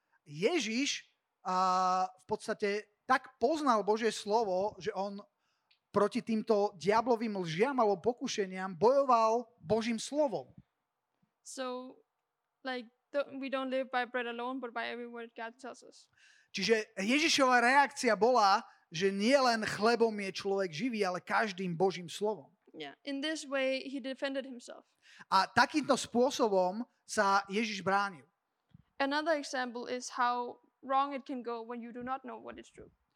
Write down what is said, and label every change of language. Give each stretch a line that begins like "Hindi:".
Slovak: Ježiš v podstate tak poznal Božie slovo, že on proti týmto diablovým lžiam alebo pokušeniam bojoval Božím slovom.
English: So like we don't live by bread alone but by every word God tells us.
Slovak: Čiže Ježišova reakcia bola, že nie len chlebom je človek živý, ale každým Božím slovom. Yeah.
English: In this way he defended himself.
Slovak: A takýmto spôsobom sa Ježiš bránil.
English: Another example is how wrong it can go when you do not know what is true.